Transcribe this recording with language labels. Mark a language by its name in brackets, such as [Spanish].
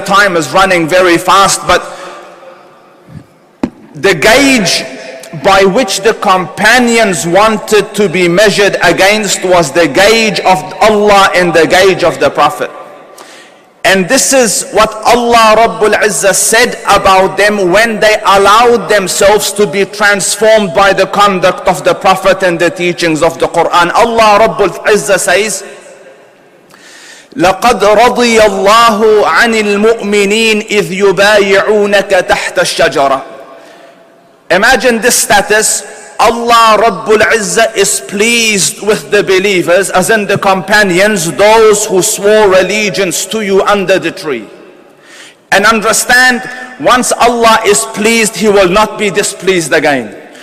[English] Time is running very fast, but the gauge by which the companions wanted to be measured against was the gauge of Allah and the gauge of the Prophet. And this is what Allah Rabbul Izzah said about them when they allowed themselves to be transformed by the conduct of the Prophet and the teachings of the Quran. Allah Rabbul Izzah says, [Arabic] لَقَدْ رَضِيَ اللَّهُ عَنِ الْمُؤْمِنِينَ إِذْ يُبَايِعُونَكَ تَحْتَ الشَّجَرَةِ. [English] Imagine this status, Allah Rabbul Izzah is pleased with the believers, as in the companions, those who swore allegiance to you under the tree. And understand, once Allah is pleased, He will not be displeased again.